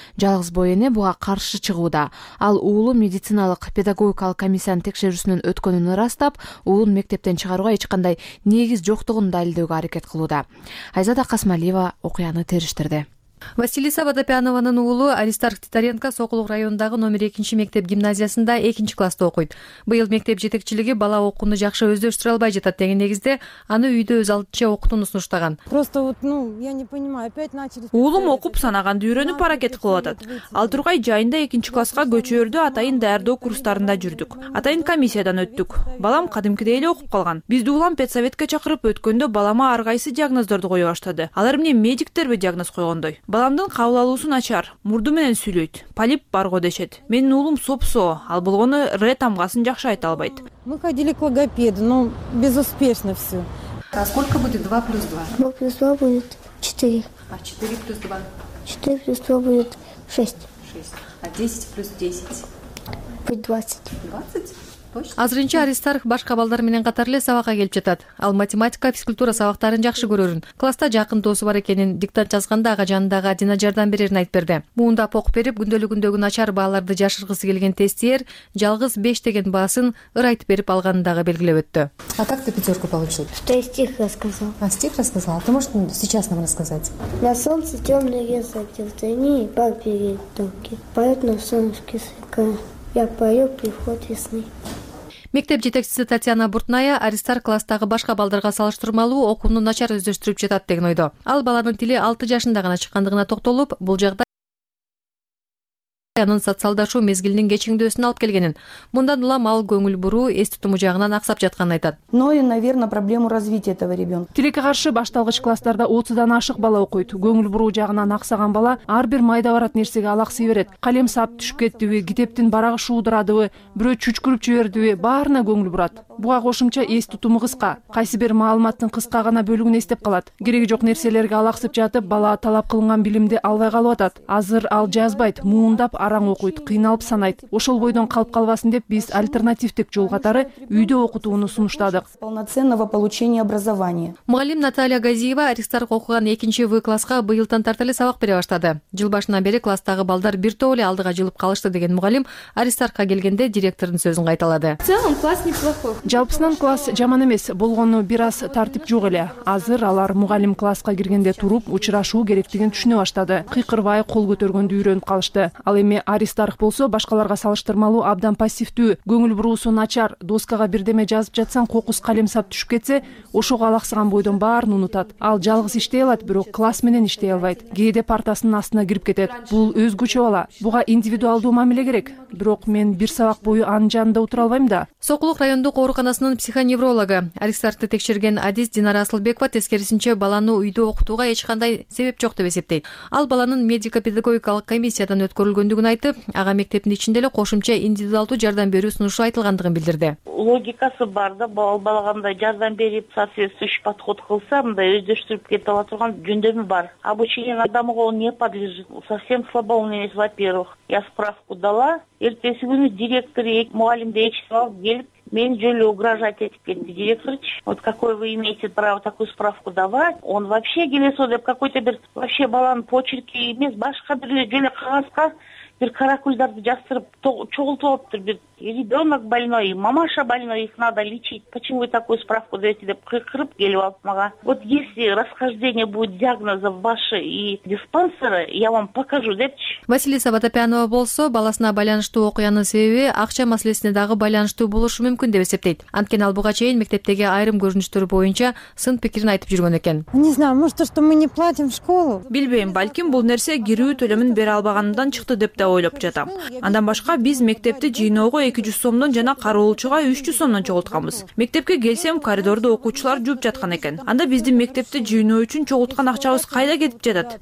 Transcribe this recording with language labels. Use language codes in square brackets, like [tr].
[ky] Жалгыз бой эне буга каршы чыгууда. Ал уулу медициналык педагогикалык комиссиянын текшерүүсүнөн өткөнүн ырастап, уулун мектептен чыгарууга эч кандай негиз жоктугун далилдөөгө аракет кылууда. Айзада Касмалиева окуяны териштирди. Василиса Водопянованын уулу Аристарх Титаренко Сокулук райондагы номер 2-чи мектеп гимназиясында 2-чи класста окуйт. Быйыл мектеп жетекчилиги бала окууну жакшы өздөштүрө албай жатат деген негизде аны үйдө өз алдынча окутууну сунуштаган. [ru] Просто вот, ну, я не понимаю, опять начали. [ky] Уулум окуп санаганды үйрөнүп аракет кылып атат. Ал тургай жайында 2-чи класска көчөрдү, атайын даярдоо курстарында жүрдүк. Атайын комиссиядан өттүк. Балам кадимкидей эле окуп калган. Бизди улам педсоветке чакырып өткөндө балама ар кайсы диагноздорду кое баштады. Алар эмне медиктерби диагноз койгондой? Баламдын кабыл алуусу начар, мурду менен сүйлөйт, полип барго дешет. Менин уулум сопсо, ал болгону Р тамгасын жакшы айта албайт. [ru] Мы ходили к логопеду, но безуспешно все. А сколько будет 2 плюс 2? 2 плюс 2 будет 4. А 4 плюс 2? 4 плюс 2 будет 6. 6. А 10 плюс 10? Будет 20. 20? [ky] Азырынча Аристарх башка балдар менен катар эле сабакка келип жатат. Ал математика, физкультура сабактарын жакшы көрөрүн, класста жакын досу бар экенин, диктант жазганда ага жанындагы Адина жардам берерин айтып берди. Муундап окуп берип, күндөлүгүндөгү начар бааларды жашыргысы келген тестиер жалгыз 5 деген баасын ыр айтып берип алганын дагы белгилеп өттү. [ru] А как ты пятерку получил? Что я стих рассказал. А стих рассказал? А ты можешь сейчас нам рассказать? На солнце темный лес затем тени, папери токи, поет на солнышке слегка. Я пою приход весны. [ky] Мектеп жетекчиси Татьяна Буртная Аристар класстагы башка балдарга салыштырмалуу окууну начар өздөштүрүп жатат деген ойдо. Ал баланын тили 6 жашында гана чыккандыгына токтолуп, бул жагдай анын социалдашуу мезгилинин кечиңдөөсүн алып келгенин, мындан улам ал көңүл буруу эс тутуму жагынан аксап жатканын айтат. [ru] Но и, наверное, проблему развития этого ребёнка. [ky] Тилекке каршы башталгыч класстарда 30 ашык бала окуйт. Көңүл буруу жагынан аксаган бала ар бир майда барат нерсеге алаксый берет. Калем сап түшүп кеттиби, китептин барагы шуудурадыбы, бирөө чүчкүрүп жибердиби, баарына көңүл бурат. Буга кошумча эс тутуму кыска, кайсы бир маалыматтын кыска гана бөлүгүн эстеп калат. Кереги жок нерселерге алаксып жатып, бала талап кылынган билимди албай калып атат. Азыр ал жазбайт, муундап араң окуйт, кыйналып санайт. Ошол бойдон калып калбасын деп биз альтернативдик жол катары үйдө окутууну сунуштадык. [ru] Полноценного получения образования. [ky] Муалим Наталья Газиева Аристарк окуган 2-чи В класска быйылдан тарта эле сабак бере баштады. Жыл башынан бери класстагы балдар бир топ эле алдыга жылып калышты деген мугалим Аристаркка келгенде директордун сөзүн кайталады. [ru] В целом класс неплохой. [ky] Жалпысынан класс жаман эмес, болгону бир аз тартип жок эле. Азыр алар мугалим класска киргенде туруп, учурашуу керектигин түшүнө баштады. Кыйкырбай кол көтөргөндү үйрөнүп калышты. Ал эми эми Аристарх болсо башкаларга салыштырмалуу абдан пассивдүү, көңүл буруусу начар, доскага бирдеме жазып жатсаң кокус калем сап түшүп кетсе, ошого алаксыган бойдон баарын унутат. Ал жалгыз иштей алат, бирок класс менен иштей албайт. Кээде партасынын астына кирип кетет. Бул өз күчү бала. Буга индивидуалдуу мамиле керек. Бирок мен бир сабак бою анын жанында утура албайм да. Сокулук райондук ооруканасынын психоневрологу Аристархты текшерген Адис Динара Асылбекова тескерисинче баланы үйдө окутууга эч кандай себеп жок деп эсептейт. Ал баланын медико-педагогикалык комиссиядан өткөрүлгөндүгүн айтып, ага мектептин ичинде эле кошумча индивидуалдуу жардам берүү сунушу айтылгандыгын билдирди. Логикасы бар да, бал балага мындай жардам берип, [ru] соответствующий подход [ky] кылса, мындай өздөштүрүп кете ала турган жөндөмү бар. [ru] Обучение адамга не подлежит, совсем слабоумный эмес, во-первых. Я справку дала, [ky] эртеси күнү директор, мугалимди эчип алып келип, мен жөлө угрожать этип кетти. [ru] Директорчу, вот какое вы имеете право такую справку давать? Он вообще [ky] келесо деп какой-то бир вообще баланын почерки эмес, башка бир эле жөн эле кагазга бир каракульдарды жаздырып чогултуп алыптыр. [ru] Бир ребенок больной, мамаша больной, их надо лечить. Почему вы такую справку даете? [ky] Деп кыйкырып келип алып мага. [ru] Вот если расхождение будет диагноза ваши и диспансера, я вам покажу депчи. [ky] Василиса Батапянова болсо баласына байланыштуу окуянын себеби акча маселесине дагы байланыштуу болушу мүмкүн деп эсептейт. Анткени ал буга чейин мектептеги айрым көрүнүштөр боюнча сын пикирин айтып жүргөн экен. [ru] Не знаю, может то, что мы не платим школу. [ky] Билбейм, балким бул нерсе кирүү төлөмүн бере албаганымдан чыкты деп ойлоп жатам. Андан башка биз мектепти жыйноого 200 сомдон жана кароолчуга 300 сомдон чогултканбыз. Мектепке келсем, коридордо окуучулар жууп жаткан экен. Анда биздин мектепти жыйноо үчүн чогулткан акчабыз кайда кетип жатат?